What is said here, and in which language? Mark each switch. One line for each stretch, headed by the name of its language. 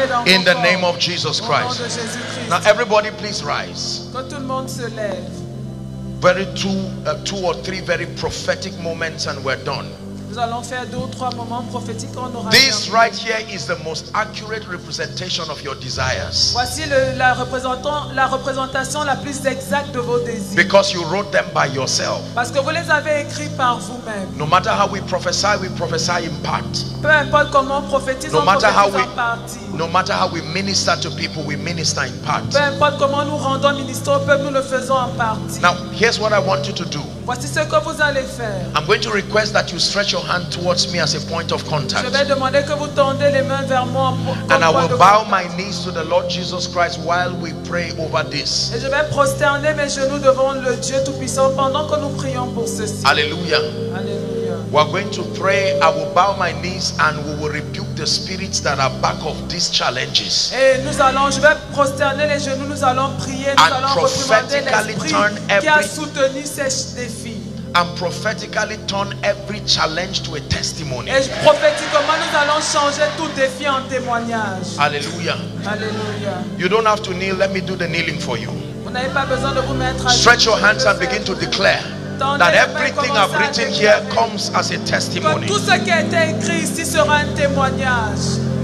English: In the name of Jesus Christ. Now everybody please rise. Very two or three very prophetic moments and we're done. This right here is the most accurate representation of your desires.
French: Voici la représentation la plus exacte de vos désirs.
English: Because you wrote them by yourself.
French: Parce que vous les avez écrits par vous-même.
English: No matter how we prophesy in part.
French: Peu importe comment on prophétise, on prophétise en partie.
English: No matter how we minister to people, we minister in part.
French: Peu importe comment nous rendons ministère au peuple, nous le faisons en partie.
English: Now, here's what I want you to do.
French: Voici ce que vous allez faire.
English: I'm going to request that you stretch your hand towards me as a point of contact.
French: Je vais demander que vous tendez les mains vers moi.
English: And I will bow my knees to the Lord Jesus Christ while we pray over this.
French: Et je vais prosterner mes genoux devant le Dieu Tout-Puissant pendant que nous prions pour ceci.
English: Hallelujah. Hallelujah. We are going to pray. I will bow my knees and we will rebuke the spirits that are back of these challenges.
French: Et nous allons, je vais prosterner les genoux, nous allons prier, nous
English: and
French: allons
English: prophetically turn every,
French: qui a soutenu ces défis.
English: And prophetically turn every challenge to a testimony.
French: Et prophétiquement, nous allons changer tout défi en témoignage.
English: Hallelujah. Hallelujah. You don't have to kneel. Let me do the kneeling for you.
French: Vous n'avez pas besoin de vous mettre à
English: stretch your hands and begin to declare. That everything I've written here comes as a testimony.
French: Tout ce qui a été écrit ici sera un témoignage.